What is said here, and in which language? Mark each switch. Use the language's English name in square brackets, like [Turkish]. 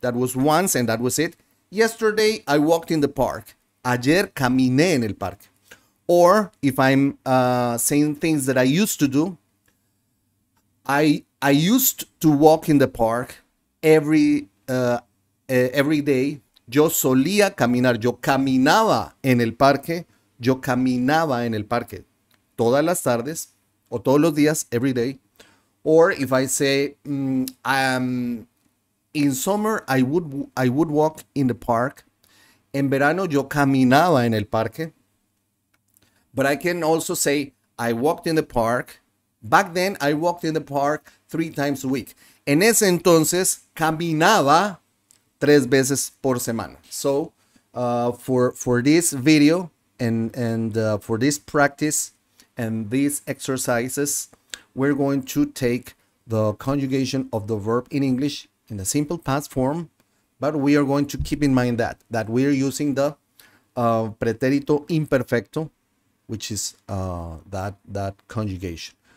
[English] That was once and that was it. Yesterday, I walked in the park. [Spanish] Ayer caminé en el parque. [English] Or if I'm saying things that I used to do, I used to walk in the park every day. [Spanish] Yo solía caminar. Yo caminaba en el parque. Yo caminaba en el parque todas las tardes o todos los días, [English] every day. Or if I say, in summer, I would walk in the park. [Spanish] En verano, yo caminaba en el parque. [English] But I can also say, I walked in the park. Back then, I walked in the park three times a week. [Spanish] En ese entonces, caminaba tres veces por semana. [English] So for this video, And for this practice and these exercises, we're going to take the conjugation of the verb in English in a simple past form. But we are going to keep in mind that we're using the Pretérito Imperfecto, which is that conjugation.